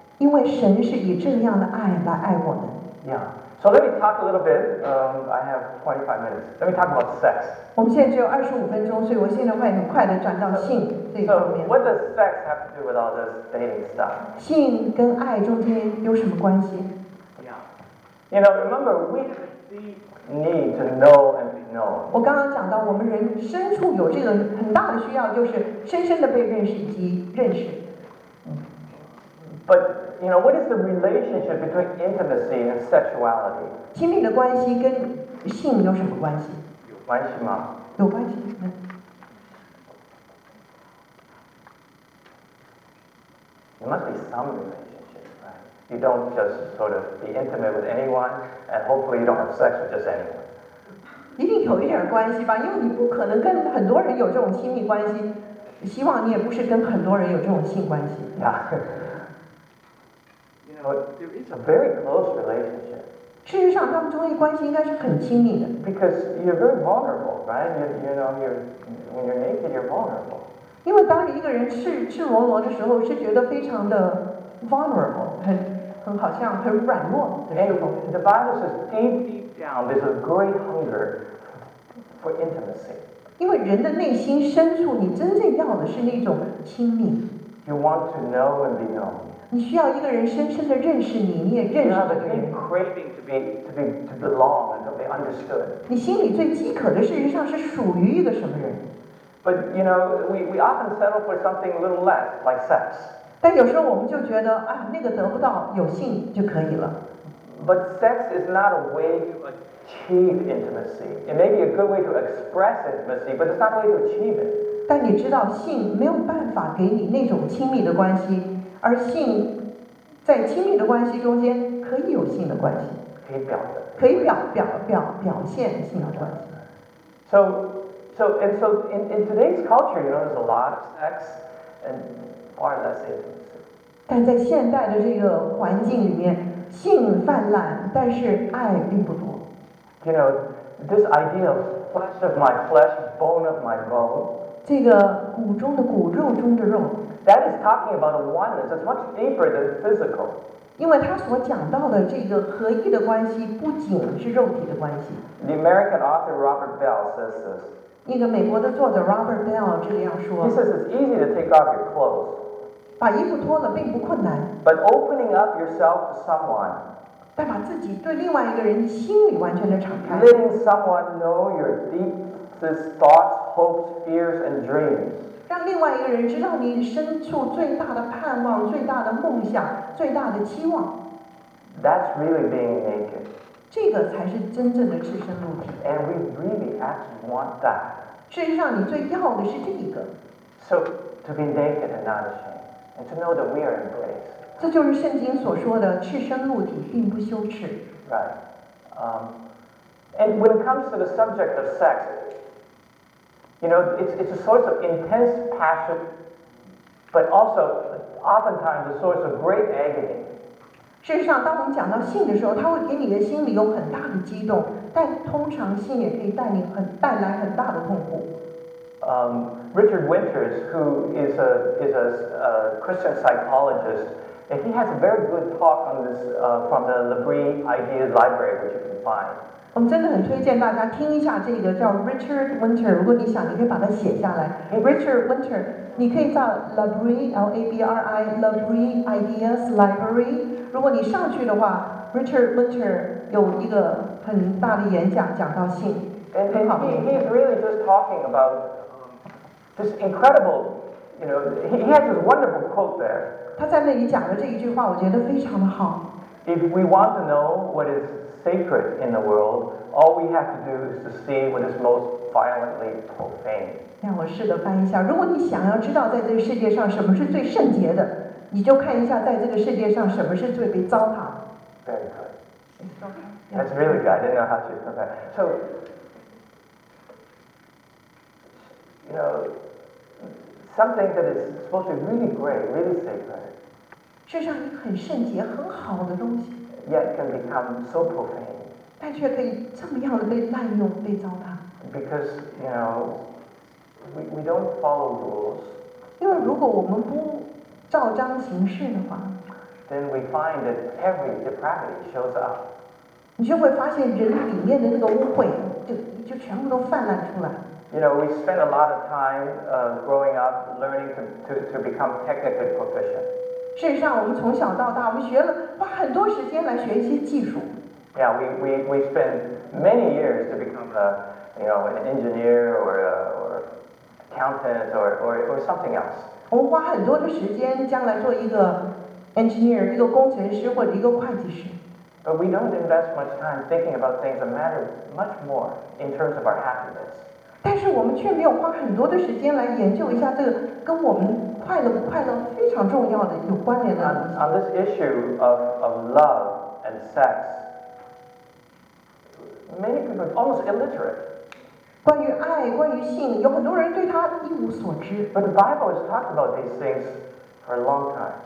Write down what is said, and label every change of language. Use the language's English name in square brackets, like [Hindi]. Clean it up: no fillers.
[Chinese] 因为神是以这样的爱来爱我们。 [English] Yeah. So let me talk a little bit. I have 25 minutes. Let me talk about sex. [Chinese] 我们现在只有25分钟，所以我现在会很快的转到性这一方面。 [English] So what does sex have to do with all this dating stuff? [Chinese] 性跟爱中间有什么关系？ [English] Yeah. You know, remember we have the need to know and be known. [Chinese] 我刚刚讲到，我们人深处有这个很大的需要，就是深深的被认识以及认识。 [English] But you know, what is the relationship between intimacy and sexuality? [Chinese] 亲密的关系跟性有什么关系？有关系吗？有关系。 [English] There must be some relation. You don't just sort of be intimate with anyone, and hopefully you don't have sex with just anyone. [Chinese] 一定有一点关系吧，因为你不可能跟很多人有这种亲密关系。希望你也不是跟很多人有这种性关系。 [English] Yeah. You know, there is a very close relationship. [Chinese] 事实上，他们中间关系应该是很亲密的。 [English] Because you're very vulnerable, right? When you're naked, you're vulnerable. [Chinese] 因为当一个人赤裸裸的时候，是觉得非常的。 Vulnerable, 很好像很软弱的时候。 [English] The Bible says deep down there's a great hunger for intimacy. [Chinese] 因为人的内心深处，你真正要的是那种亲密。 [English] You want to know and be known. [Chinese] 你需要一个人深深的认识你，你也认识这个人。 [English] You have a deep craving to belong and to be understood. [Chinese] 你心里最饥渴的，事实上是属于一个什么人？ [English] But you know, we often settle for something a little less, like sex. [Chinese] 但有时候我们就觉得啊，那个得不到，有性就可以了。 [English] But sex is not a way to achieve intimacy. It may be a good way to express intimacy, but it's not a way to achieve it. [Chinese] 但你知道，性没有办法给你那种亲密的关系，而性在亲密的关系中间可以有性的关系，可以表的，可以表现性的关系。 [English] So in today's culture, you know, there's a lot of sex and. Far less intimacy. [Chinese] 但在现代的这个环境里面，性泛滥，但是爱并不多。 [English] You know, this idea of flesh of my flesh, bone of my bone. [Chinese] 这个骨中的骨，肉中的肉。 [English] That is talking about a oneness that's much deeper than physical. [Chinese] 因为他所讲到的这个合一的关系，不仅是肉体的关系。 [English] The American author Robert Bell says this. [Chinese] 那个美国的作者 Robert Bell 这样说。 [English] He says it's easy to take off your clothes. [Chinese] 把衣服脱了并不困难。 [English] But opening up yourself to someone. [Chinese] 但把自己对另外一个人心里完全的敞开。 [English] Letting someone know your deepest thoughts, hopes, fears, and dreams. [Chinese] 让另外一个人知道你深处最大的盼望、最大的梦想、最大的期望。 [English] That's really being naked. [Chinese] 这个才是真正的赤身露体。 [English] And we really actually want that. [Chinese] 事实上，你最要的是这一个。 [English] So to be naked and not ashamed, and to know that we are embraced. [Chinese] 这就是圣经所说的赤身露体并不羞耻。 [English] Right. And when it comes to the subject of sex, you know, it's a source of intense passion, but also oftentimes a source of great agony. [Chinese] 事实上，当我们讲到性的时候，它会给你的心里有很大的激动，但通常性也可以带你很带来很大的痛苦。 [English] Richard Winters, who is a Christian psychologist. And he has a very good talk on this from the Labrie Ideas Library, which you can find. [Chinese] 我们真的很推荐大家听一下这个叫 Richard Winter. 如果你想，你可以把它写下来。 Richard Winter, 你可以到 Labrie Ideas Library. 如果你上去的话 ，Richard Winter 有一个很大的演讲，讲到性，很好的。 [English] And he's really just talking about this incredible, you know, he has this wonderful quote there. [Chinese] 他在那里讲的这一句话，我觉得非常的好。 [English] If we want to know what is sacred in the world, all we have to do is to see what is most violently profane. [Chinese] 让我试着翻一下。如果你想要知道在这个世界上什么是最圣洁的，你就看一下在这个世界上什么是最被糟蹋。 [English] Very good. That's really good. I didn't know how to do that. So, you know. Something that is supposed to be really great, really sacred. [Chinese] 事实上，一个很圣洁、很好的东西。 [English] Yet can become so profane. [Chinese] 但却可以这么样的被滥用、被糟蹋。 [English] Because you know, we don't follow rules. [Chinese] 因为如果我们不照章行事的话 [English] ，then we find that every depravity shows up. [Chinese] 你就会发现人里面的那个污秽就全部都泛滥出来。 [English] You know, we spend a lot of time growing up, learning to become technically proficient. [Chinese] 事实上，我们从小到大，我们学了花很多时间来学一些技术。 [English] Yeah, we spend many years to become a, you know, an engineer or accountant or something else. [Chinese] 我们花很多的时间，将来做一个 engineer, 一个工程师或者一个会计师。 [English] But we don't invest much time thinking about things that matter much more in terms of our happiness. [Chinese] 但是我们却没有花很多的时间来研究一下这个跟我们快乐不快乐非常重要的有关联的东西。 [English] On this issue of love and sex, many people are almost illiterate. [Chinese] 关于爱，关于性，有很多人对它一无所知。 [English] But the Bible has talked about these things for a long time.